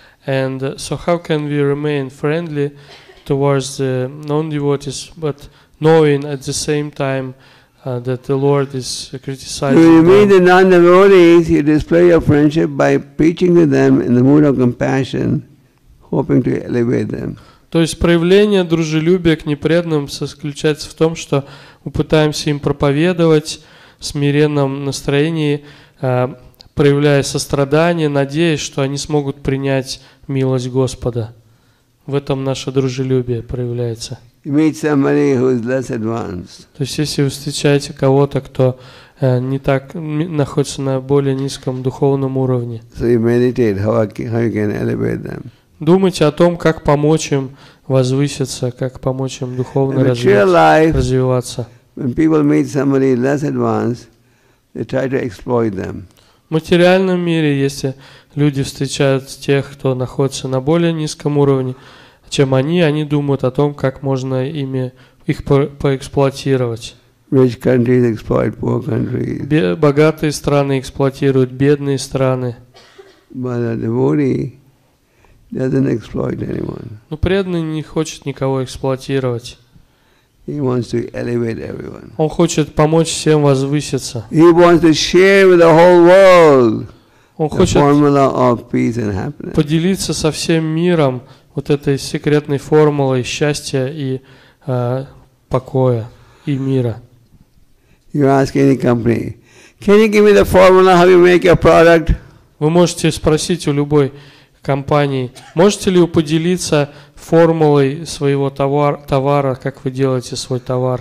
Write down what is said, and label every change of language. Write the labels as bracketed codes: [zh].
[en] And so how can we remain friendly towards the non-devotees, but knowing at the same time that the Lord is criticizing them? You mean the non-devotees, you display your friendship by preaching to them in the mood of compassion, hoping to elevate them. [ru] То есть проявление дружелюбия к непреданным заключается в том, что мы пытаемся им проповедовать в смиренном настроении, проявляя сострадание, надеясь, что они смогут принять милость Господа. В этом наше дружелюбие проявляется. [en] meet somebody who is less advanced. [ru] То есть если вы встречаете кого-то, кто не так находится на более низком духовном уровне. [en] So you meditate how you can elevate them. [ru] Думайте о том, как помочь им возвыситься, как помочь им духовно развиваться. [en] When people meet somebody less advanced, they try to exploit them. [ru] В материальном мире, если люди встречают тех, кто находится на более низком уровне, чем они думают о том, как можно ими их поэксплуатировать. [en] Rich countries exploit poor countries. [ru] Богатые страны эксплуатируют бедные страны. [en] But a devotee doesn't exploit anyone. [ru] Но преданный не хочет никого эксплуатировать. [en] He wants to elevate everyone. [ru] Он хочет помочь всем возвыситься. [en] He wants to share with the whole world the formula of peace and happiness. [ru] Поделиться со всем миром вот этой секретной формулой счастья и покоя и мира. [en] You ask any company, can you give me the formula how you make your product? [ru] Вы можете спросить у любой компании, можете ли вы поделиться формулой своего товара, как вы делаете свой товар?